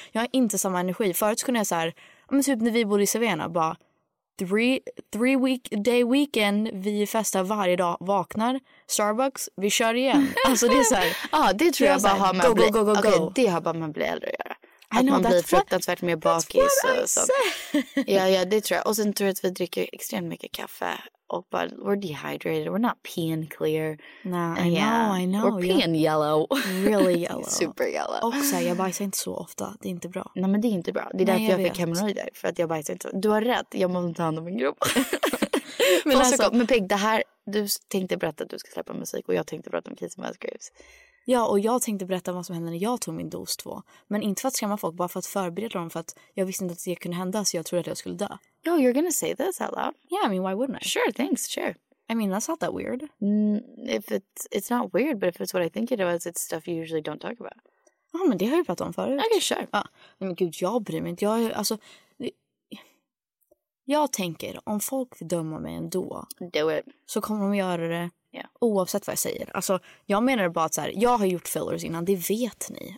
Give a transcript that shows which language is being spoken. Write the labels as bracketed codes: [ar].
[sv] Jag har inte samma energi. Förut kunde jag så här, men typ när vi bodde i Savannah, bara [en] three day weekend, [sv] vi festar varje dag, vaknar, Starbucks, vi kör igen. Alltså det är så här. Ja, det tror jag bara har med att bli. [en] Go, go, go, go. [sv] Okay, det har bara med att bli äldre att göra. Att man blir fruktansvärt mer bakis. Ja, det tror jag. Och sen tror jag att vi dricker extremt mycket kaffe. Och bara, [en] we're dehydrated, we're not peeing clear. I know. We're peeing yellow. Really yellow. Super yellow. [sv] Och så, jag bajsar inte så ofta, det är inte bra. Nej, men det är inte bra. Det är därför jag fick hemorrojder, för att jag bajsar inte. Du har rätt, jag måste ta hand om min grupp. Men alltså, men Pig, det här, du tänkte berätta att du ska släppa musik och jag tänkte berätta om Casey Musgraves. Ja, och jag tänkte berätta vad som hände när jag tog min dos 2. Men inte för att skrämma folk, bara för att förbereda dem. För att jag visste inte att det kunde hända, så jag trodde att jag skulle dö. [en] Yo, you're gonna say this out loud? Yeah, I mean, why wouldn't I? Sure, thanks, sure. I mean, that's not that weird. If it's not weird, but if it's what I think it was, it's stuff you usually don't talk about. [sv] Ja, men det har jag pratat om förut. [en] Okay, sure. [sv] Ja, men gud, jag bryr mig inte. Jag, alltså, jag tänker, om folk vill döma mig ändå, [en] do it, [sv] så kommer de göra det. [en] Yeah. [sv] Oavsett vad jag säger. Alltså, jag menar bara att så här, jag har gjort fillers innan, det vet ni.